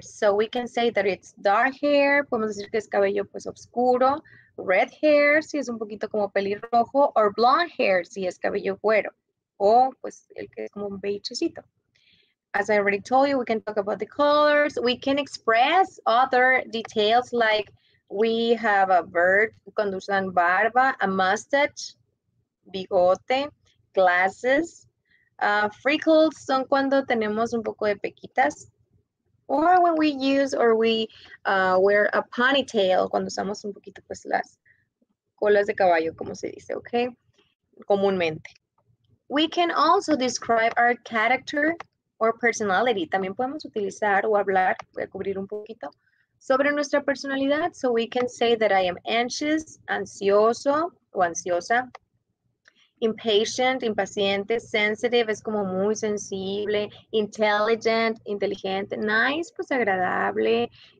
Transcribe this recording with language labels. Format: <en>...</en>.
<en>So we can say that it's dark hair.</en> <es>Podemos decir que es cabello pues oscuro. Red hair, si es un poquito como pelirrojo.</es> <en>Or blonde hair,</en> <es>si es cabello güero. O pues el que es como un beigecito.</es> <en>As I already told you, we can talk about the colors. We can express other details like we have a beard,</en> <es>cuando usan barba,</es> <en>a mustache, bigote, glasses.</en> <es>Freckles son cuando tenemos un poco de pequitas.</es> <en>Or when we use or we wear a ponytail,</en> <es>cuando usamos un poquito pues las colas de caballo, como se dice,</es> <en>okay? Comúnmente. We can also describe our character or personality.</en> <es>También podemos utilizar o hablar, voy a cubrir un poquito, sobre nuestra personalidad.</es> <en>So we can say that I am anxious, ansioso o ansiosa.</en> <es>Impatient, impaciente, sensitive, es como muy sensible, intelligent, inteligente, nice, pues agradable.</es>